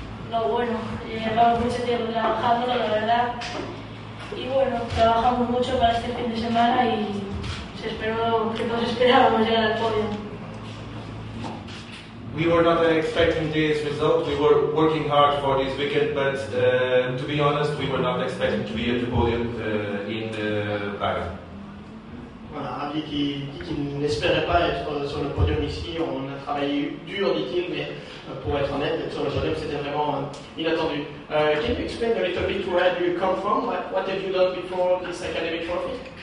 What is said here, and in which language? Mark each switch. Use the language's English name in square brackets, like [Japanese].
[Spanish] No, bueno, llevamos mucho tiempo trabajándolo, la verdad. Y bueno, trabajamos mucho para este fin de semana y se esperó que todos esperábamos llegar al podio. [English] We were not expecting this result. We were working hard for this weekend, but to be honest, we were not expecting to be at the podium in the Paris. [French] Voilà, Ravi qui n'espérait pas être sur le podium ici. On a travaillé dur, dit-il, mais pour être honnête, être sur le podium, c'était vraiment inattendu. [English] Can you explain a little bit where you come from? What have you done before this Academy Trophy?